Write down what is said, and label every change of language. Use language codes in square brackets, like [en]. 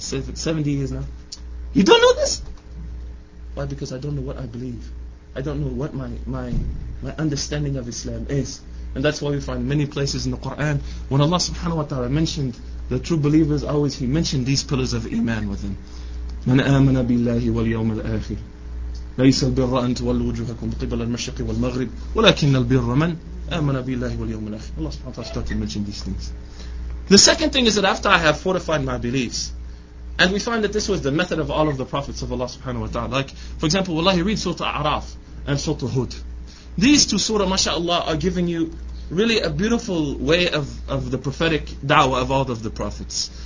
[en] 70 years now. You don't know this? Why? Because I don't know what I believe. I don't know what my understanding of Islam is. And that's why we find many places in the Quran when Allah subhanahu wa ta'ala mentioned the true believers, always He mentioned these pillars of Iman with them. [ar] من آمن بالله واليوم الآخر ليس البر أن تولوا وجوهكم قبل المشرق والمغرب ولكن البر من آمن بالله واليوم الآخر. [en] Allah subhanahu wa ta'ala started to mention these things. The second thing is that after I have fortified my beliefs, and we find that this was the method of all of the prophets of Allah subhanahu wa ta'ala, like for example, Allah, he reads Surah A'raf and Surah Hud. These two surah, mashallah, are giving you really a beautiful way of the prophetic da'wah of all of the prophets.